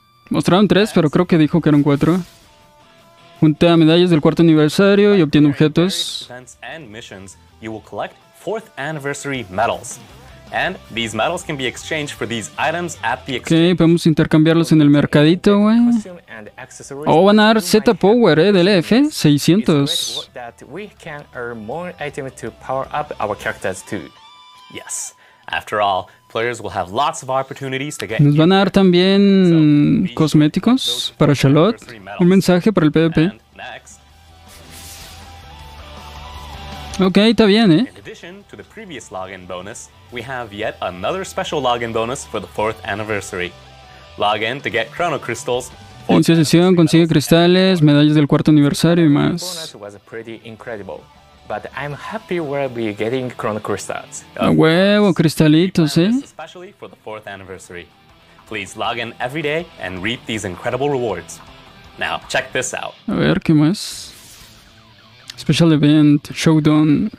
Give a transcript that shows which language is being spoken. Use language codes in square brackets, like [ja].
[es] Mostraron 3, pero creo que dijo que eran 4. Junta medallas del cuarto aniversario y obtiene objetos. [en] You will collect 4th anniversary medals. And these medals can be exchanged for these items at the [es] exchange. Okay, podemos intercambiarlos en el mercadito, güey. Oh, van a dar Z Power, del EF, 600. [en] We can earn more items to power up our characters too. Yes. After all, players will have lots of opportunities to get. [es] Nos van a dar también cosméticos para Shallot, un mensaje para el PvP. Okay, está bien, ¿eh? [en] In addition to the previous login bonus, we have yet another special login bonus for the 4th anniversary. Login to get Chrono Crystals. [es] Inicia sesión, consigue cristales, medallas del cuarto aniversario y más. [en] Bonus was pretty incredible, but I'm happy we'll be getting Chrono Crystals. [es] A huevo, cristalitos, ¿eh? [en] Especially for the 4th anniversary. Please login every day and reap these incredible rewards. Now, check this out. [es] A ver, ¿qué más? [en] Special event, showdown.